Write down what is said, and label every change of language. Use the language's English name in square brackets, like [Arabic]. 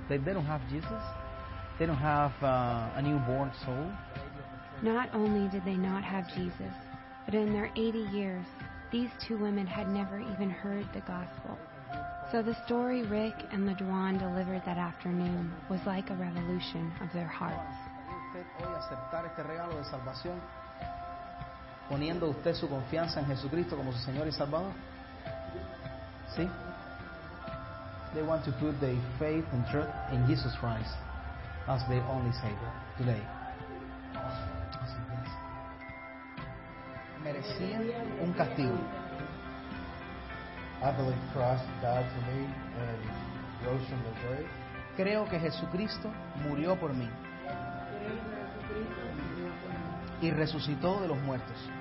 [English] They don't have Jesus. They don't have a newborn soul. Not only did they not have Jesus, but in their 80 years, these two women had never even heard the gospel. So the story Rick and LaDuan delivered that afternoon was like a revolution of their hearts. [Spanish] Hoy aceptar este regalo de salvación, poniendo usted su confianza en Jesucristo como su Señor y Salvador. ¿Sí? [English] They want to put their faith and trust in Jesus Christ as their only Savior today. [Spanish] Así es. Merecían un castigo. [English] I believe Christ died for me and rose from the grave. [Spanish] Creo que Jesucristo murió por mí y resucitó de los muertos.